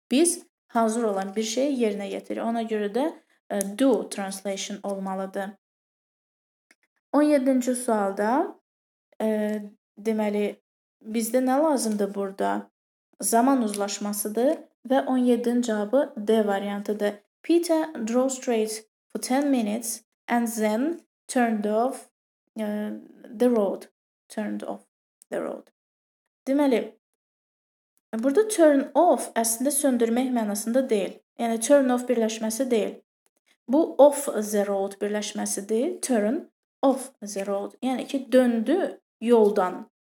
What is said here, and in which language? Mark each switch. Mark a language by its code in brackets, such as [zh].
[az] Biz hazır olan bir şeyi yerinə yetirir. Ona görə də do translation olmalıdır. 17-ci sualda deməli, bizdə nə lazımdır burada? Zaman uzlaşmasıdır və 17-ci cavabı D variantıdır. [en] Peter drove straight for 10 minutes and then turned off the road. Turned off the road. [az] Deməli, burada turn off əslində söndürmək mənasında deyil. Yəni, turn off birləşməsi deyil. Bu, off the road birləşməsi deyil. [en] Turn off the road. [az] Yəni ki, döndü yoldan.